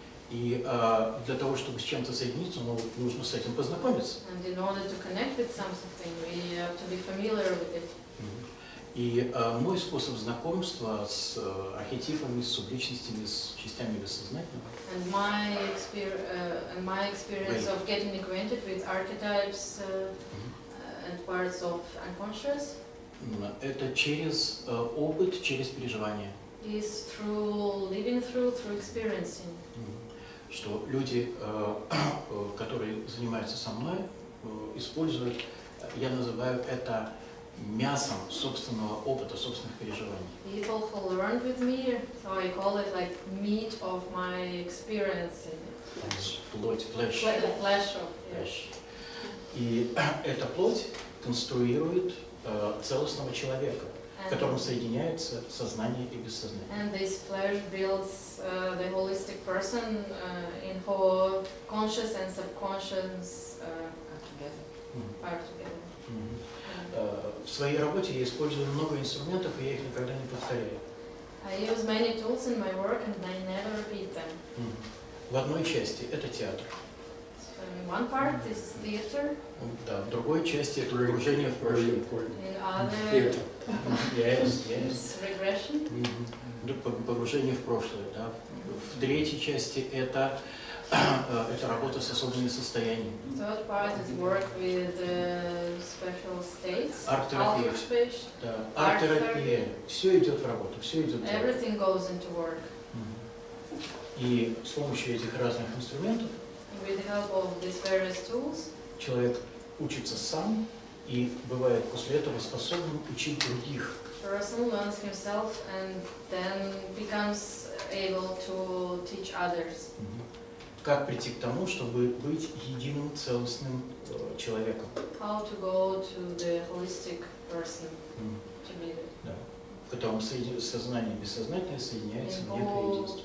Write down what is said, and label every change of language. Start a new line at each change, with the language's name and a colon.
Russian: И для того, чтобы с чем-то соединиться, нужно с этим познакомиться.
English: And in order to connect with something, we have to be familiar with it.
Russian: И мой способ знакомства с архетипами, с субличностями, с частями бессознательного.
English: And my experience of getting acquainted with archetypes and parts of unconscious.
Russian: Это через опыт, через переживание.
English: Is through living through experiencing.
Russian: Что люди, которые занимаются со мной, используют, я называю это мясом собственного опыта, собственных переживаний.
English: People who learned with me, so I call it like meat of my experience.
Russian: Плоть, flesh.
English: Flesh of, yeah. Flesh.
Russian: И эта плоть конструирует целостного человека, в котором соединяются сознание и бессознание.
English: And this flesh builds the holistic person in whole conscious and subconscious are together. Mm-hmm.
Russian: В своей работе я использую много инструментов, и я их никогда не повторяю.
English: I use many tools in my work, and I never repeat them. Mm-hmm.
Russian: В одной части это театр.
English: So in one part mm-hmm. is theater.
Russian: Да, в другой части это погружение в прошлое.
English: In other, yes. Regression. Mm-hmm.
Russian: Погружение в прошлое, да. В третьей части это это работа с особыми состояниями.
English: Third part is work with special states.
Russian: Арт-терапия. Да. Арт-терапия. Все идет в работу. Все идет.
English: Everything goes into work.
Russian: И с помощью этих разных инструментов.
English: With the help of these various tools.
Russian: Человек учится сам и бывает после этого способен учить других.
English: Person learns himself and then becomes able to teach others.
Russian: Как прийти к тому, чтобы быть единым, целостным человеком?
English: How to go to the holistic person, to be the...
Russian: Да. В котором сознание и бессознательное соединяются в некое единство.